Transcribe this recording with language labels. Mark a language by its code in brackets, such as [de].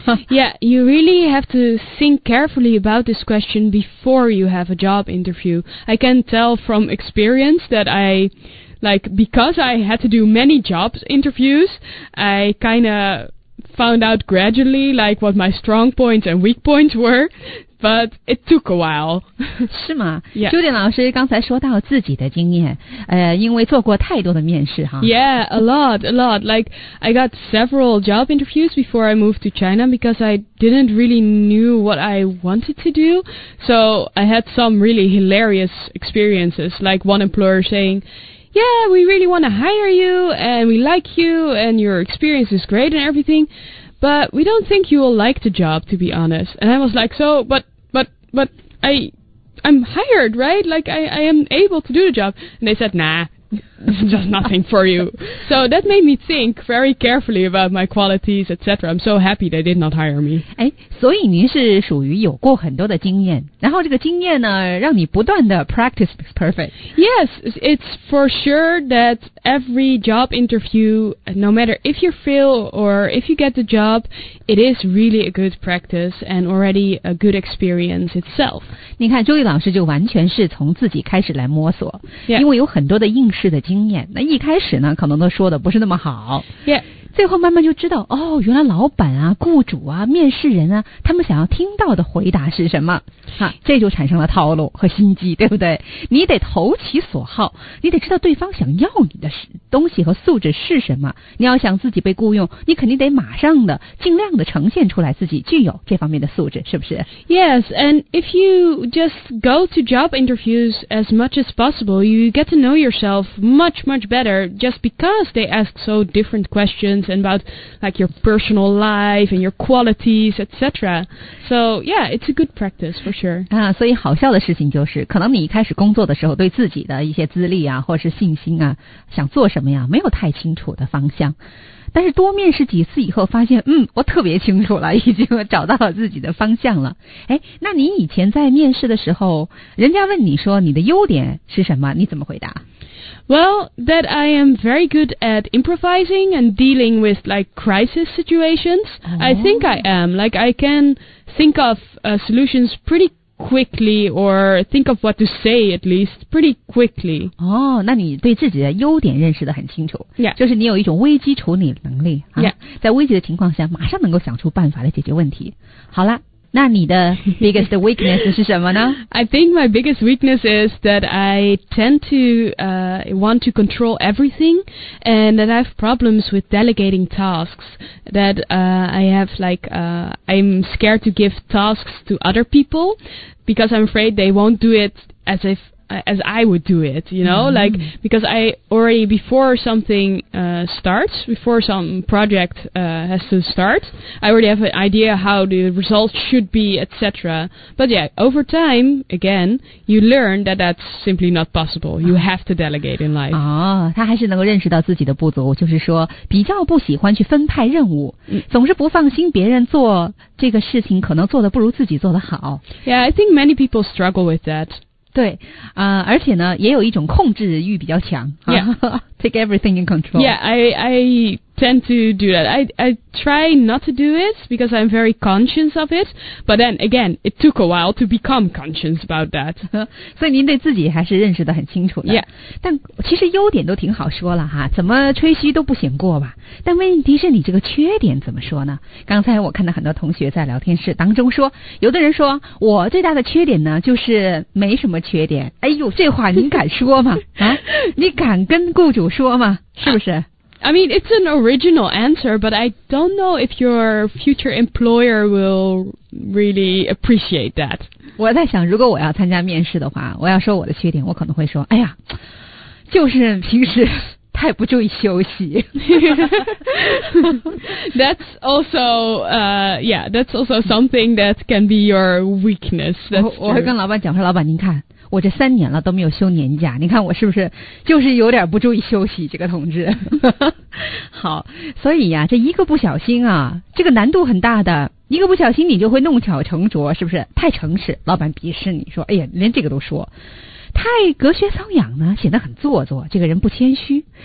[en] Yeah, you really have to think carefully about this question before you have a job interview. I can tell from experience that I, like, because I had to do many jobs interviews, I kind of found out gradually, like, what my strong points and weak points were. But it took a while. [zh] 是吗、 [en] yeah. [zh] Judy 老师刚才说到自己的经验，因为做过太多的面试哈。 [en] Yeah, a lot. Like, I got several job interviews before I moved to China because I didn't really knew what I wanted to do. So I had some really hilarious experiences, like one employer saying, yeah, we really want to hire you and we like you and your experience is great and everything. But we don't think you will like the job, to be honest. And I was like, so, but I'm hired, right? Like, I am able to do the job. And they said, nah, this is just nothing for you. So that made me think very carefully about my qualities, etc. I'm so happy they did not hire me. [zh] 哎，所以您是属于有过很多的经验，然后这个经验呢，让你不断的 [en] practice makes perfect. Yes, it's for sure that every job interview, no matter if you fail or if you get the job, it is really a good practice and already a good experience itself. [zh] 你看，周丽老师就完全是从自己开始来摸索， [en] yeah. [zh] 因为有很多的应试的经验。那一开始呢，可能都说的不是那么好。 [en] Yeah. [zh] 最后慢慢就知道，哦，原来老板啊、雇主啊、面试人啊，他们想要听到的回答是什么。哈，这就产生了套路和心机，对不对？你得投其所好，你得知道对方想要你的东西和素质是什么。你要想自己被雇佣，你肯定得马上的尽量的呈现出来自己具有这方面的素质，是不是？ [en] Yes, and if you just go to job interviews as much as possible, you get to know yourself much, much better just because they ask so different questions and about like your personal life and your qualities, etc. So, yeah, it's a good practice for sure. [zh] 啊，所以好笑的事情就是，可能你一开始工作的时候对自己的一些资历啊，或者是信心啊，想做什么呀，没有太清楚的方向。但是多面试几次以后发现，嗯，我特别清楚了，已经找到了自己的方向了。诶，那你以前在面试的时候，人家问你说你的优点是什么，你怎么回答？ [en] Well, that I am very good at improvising and dealing with like crisis situations. Oh. I think I am. Like I can think of solutions pretty quickly or think of what to say at least pretty quickly. [zh] Oh, 那你对自己的优点认识得很清楚。 [en] Yeah. [zh] 就是你有一种危机处理能力。啊、 [en] yeah. [zh] 在危急的情况下马上能够想出办法来解决问题。好了。那你的 [en] biggest weakness [zh] 是什么呢？ [en] I think my biggest weakness is that I tend to want to control everything and that I have problems with delegating tasks. That I have like, I'm scared to give tasks to other people because I'm afraid they won't do it as if as I would do it, you know, mm-hmm. like, because I already, before something starts, before some project has to start, I already have an idea how the results should be, etc. But yeah, over time, again, you learn that that's simply not possible. You have to delegate in life. [zh] 哦，他还是能够认识到自己的不足，就是说，比较不喜欢去分派任务，总是不放心别人做这个事情，可能做得不如自己做得好。 [en] Yeah, I think many people struggle with that. [zh] 对、而且呢也有一种控制欲比较强、 [en] yeah. Take everything in control. Yeah, I tend to do that. I try not to do it because I'm very conscious of it. But then again, it took a while to become conscious about that. [zh] 所以您对自己还是认识得很清楚的。 [en] Yeah. [zh] 但其实优点都挺好说了哈，怎么吹嘘都不嫌过吧。但问题是你这个缺点怎么说呢？刚才我看到很多同学在聊天室当中说，有的人说我最大的缺点呢就是没什么缺点。哎呦，这话您敢说吗？啊，你敢跟雇主说吗？是不是？ [en] I mean, it's an original answer, but I don't know if your future employer will really appreciate that. [zh] 我在想，如果我要参加面试的话，我要说我的缺点，我可能会说，哎呀，就是平时太不注意休息。 [en] That's also, yeah, that's also something that can be your weakness. [zh] 我会跟老板讲说，老板您看。我这三年了都没有休年假，你看我是不是就是有点不注意休息，这个同志。好，所以呀、啊、这一个不小心啊，这个难度很大的，一个不小心你就会弄巧成拙，是不是？太诚实老板鄙视你，说哎呀连这个都说。太隔靴搔痒呢，显得很做作，这个人不谦虚。